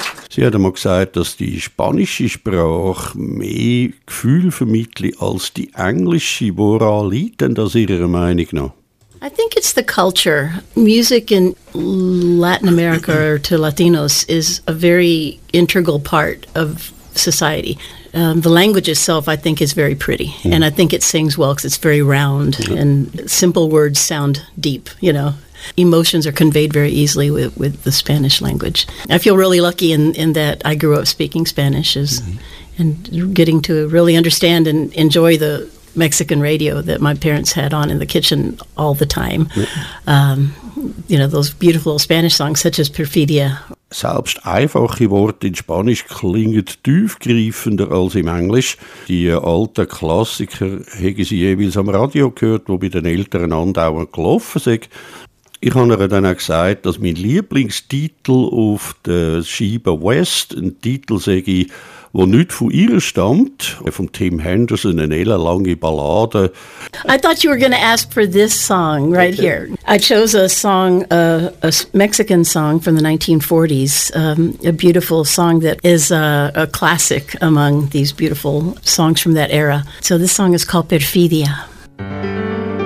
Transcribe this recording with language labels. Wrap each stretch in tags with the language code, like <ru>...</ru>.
<de>Sie hat einmal gesagt, dass die spanische Sprache mehr Gefühl vermittelt als die englische. Woran liegt denn das Ihrer Meinung nach?</de> <en>I think it's the culture. Music in Latin America or to Latinos is a very integral part of society. The language itself, I think, is very pretty. Mm. And I think it sings well because it's very round and simple words sound deep, you know. Emotions are conveyed very easily with the Spanish language. I feel really lucky in that I grew up speaking Spanish and getting to really understand and enjoy the Mexican radio that my parents had on in the kitchen all the time. You know, those beautiful Spanish songs such as Perfidia.</en> <de>Selbst einfache Worte in Spanisch klingen tiefgreifender als im Englisch. Die alten Klassiker haben sie jeweils am Radio gehört, wo bei den Eltern andauernd gelaufen sind. Ich habe ihr dann auch gesagt, dass mein Lieblingstitel auf der Scheibe West ein Titel sei, wo nicht von ihr stammt, von Tim Henderson, eine ellenlange Ballade.</de> <en>I thought you were going to ask for this song right here. I chose a song, a Mexican song from the 1940s, a beautiful song that is a classic among these beautiful songs from that era. So this song is called Perfidia.</en>